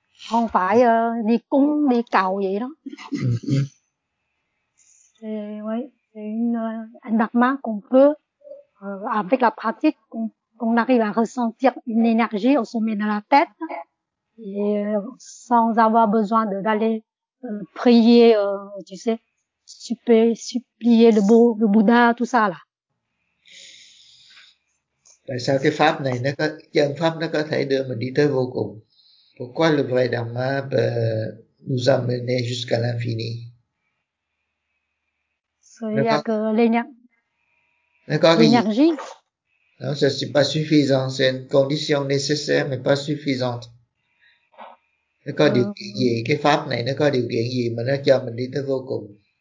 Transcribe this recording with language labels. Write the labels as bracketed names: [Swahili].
[Vietnamese] Không phải đi cúng đi cầu vậy đó. [French] Un dharma qu'on peut, avec la pratique, qu'on arrive à ressentir une énergie au sommet de la tête, et sans avoir besoin d'aller prier, tu sais, supplier le Bouddha, tout ça, là. [Vietnamese] Tại sao cái pháp này, chân pháp nó có thể đưa mình đi tới vô cùng? [French] Pourquoi le vrai dharma peut nous amener jusqu'à l'infini? Non, ça c'est pas suffisant. C'est une condition nécessaire, mais pas suffisante. [Vietnamese] Nó có điều kiện gì? Cái pháp này nó có điều kiện gì mà nó cho mình đi tới vô cùng?